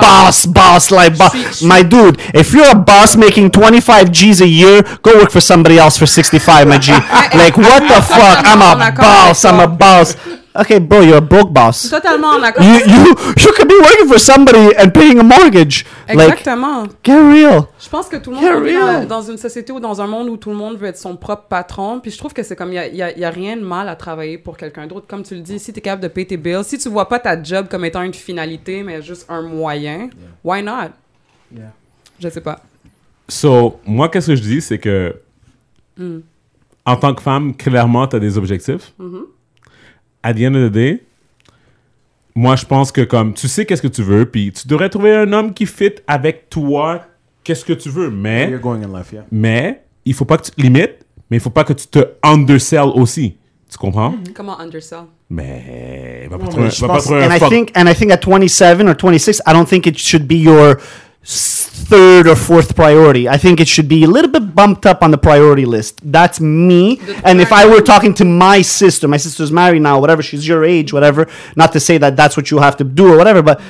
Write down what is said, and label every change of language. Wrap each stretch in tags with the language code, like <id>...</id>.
<en>boss, like my dude. If you're a boss making 25 G's a year, go work for somebody else for 65, my G. Like what the fuck? I'm a boss. Okay, bro, you're a broke boss.</en> <fr>Totalement d'accord.</fr> <en>You could be working for somebody and paying a mortgage.</en> <fr>Exactement.</fr> <en>Like, get real.</en> <fr>Je pense que tout le monde est dans une société ou dans un monde où tout le monde veut être son propre patron. Puis je trouve que c'est comme, il y a rien de mal à travailler pour quelqu'un d'autre. Comme tu le dis, si tu es capable de payer tes bills, si tu vois pas ta job comme étant une finalité, mais juste un moyen, yeah.</fr> <en>Why not? Yeah.</en> <fr>Je sais pas. So, moi, qu'est-ce que je dis, c'est que en tant que femme, clairement, tu as des objectifs. Mm-hmm. À</fr> <en>the end of the day,</en> <fr>moi, je pense que comme tu sais qu'est-ce que tu veux, puis tu devrais trouver un homme qui fit avec toi qu'est-ce que tu veux, mais...</fr> <en>You're going in life, yeah.</en> <fr>Mais il faut pas que tu te limites, mais il faut pas que tu te undersell aussi. Tu comprends? Mm-hmm. Comment undersell? Mais... Va pas trouver un</fr> <en>fuck. I think at 27 or 26, I don't think it should be your third or fourth priority. I think it should be a little bit bumped up on the priority list. That's me. And if I were talking to my sister's married now, whatever, she's your age, whatever, not to say that that's what you have to do or whatever, but...</en>